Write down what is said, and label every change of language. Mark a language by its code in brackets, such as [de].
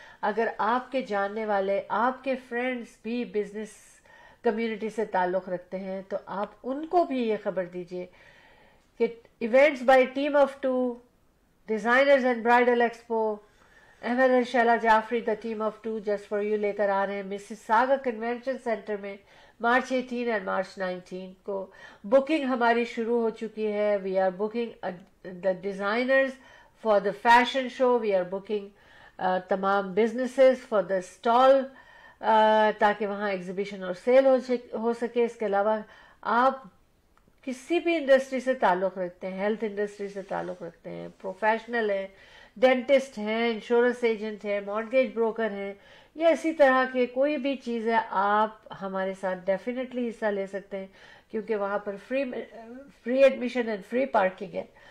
[ur] اگر آپ کے جاننے والے, آپ کے فرینڈز بھی بزنس کمیونٹی سے تعلق رکھتے ہیں, تو آپ ان کو بھی یہ خبر دیجئے کہ events by team of two, Designers and Bridal Expo Ahmad اور Sheila Jafri the team of two just for you لے کر آ رہے ہیں مسز ساگا کنونشن سینٹر میں مارچ 18 اینڈ مارچ 19 کو. بکنگ ہماری شروع ہو چکی ہے. [en] We are booking the designers for the fashion show. We are booking تمام businesses for the stall [ur] تاکہ وہاں ایگزیبیشن اور سیل ہو سکے. اس کے علاوہ آپ کسی بھی انڈسٹری سے تعلق رکھتے ہیں, ہیلتھ انڈسٹری سے تعلق رکھتے ہیں, پروفیشنل ہیں, ڈینٹسٹ ہیں, انشورنس ایجنٹ ہیں, مارگیج بروکر ہیں, یا اسی طرح کے کوئی بھی چیز ہے, آپ ہمارے ساتھ ڈیفینیٹلی حصہ لے سکتے ہیں کیونکہ وہاں پر free admission and free parking ہے.